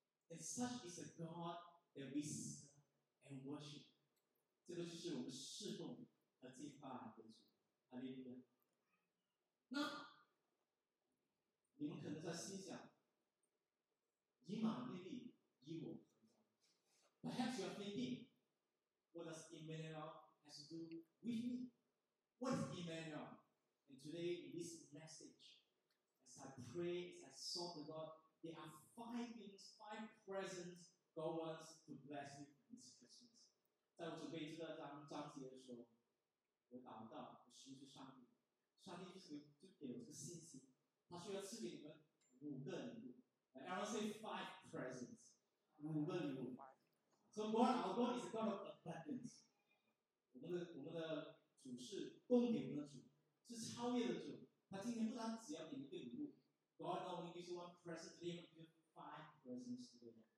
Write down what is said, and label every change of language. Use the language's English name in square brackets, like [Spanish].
[English] And such is the God that we serve and worship. [Chinese] 这个就是我们侍奉和敬拜的主。哈利路亚。那你们可能在心想，以马内利，以我同在。 [English] Perhaps you are thinking, what does Emmanuel has to do with me? What is Emmanuel? And today, in this message, as I pray, as I sought the Lord, there are five things, five presents God wants to bless you in this Christmas. [Chinese] 在我准备这个章节的时候，我祷告，我寻求上帝，上帝就给我这个信心，他说要赐给你们五个礼物。 [English] And I'll say five presents. [Chinese] 五个礼物。 [English] So God, our God is a God of abundance. [Chinese] 我们的主是供给我们的主，是超越的主。他今天不单只要给你一个礼物。 [English] God only gives you one present today, but you have five presents today.